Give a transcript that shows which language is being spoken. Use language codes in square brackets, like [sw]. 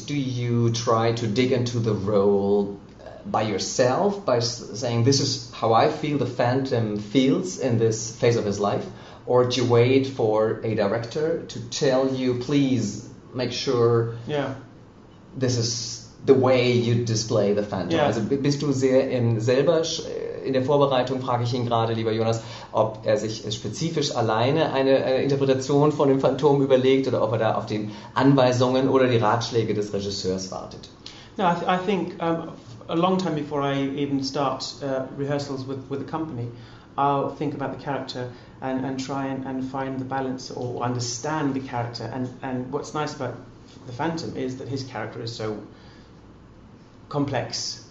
[en] Do you try to dig into the role by yourself, by saying this is how I feel the Phantom feels in this phase of his life? Or do you wait for a director to tell you, please make sure this is the way you display the Phantom? Yeah. [de] Also bist du sehr in der Vorbereitung, frage ich ihn gerade, lieber Jonas, ob er sich spezifisch alleine eine Interpretation von dem Phantom überlegt oder ob er da auf den Anweisungen oder die Ratschläge des Regisseurs wartet? [en] No, I think a long time before I even start rehearsals with the company, I'll think about the character and try and find the balance or understand the character. And what's nice about the Phantom is that his character is so complex.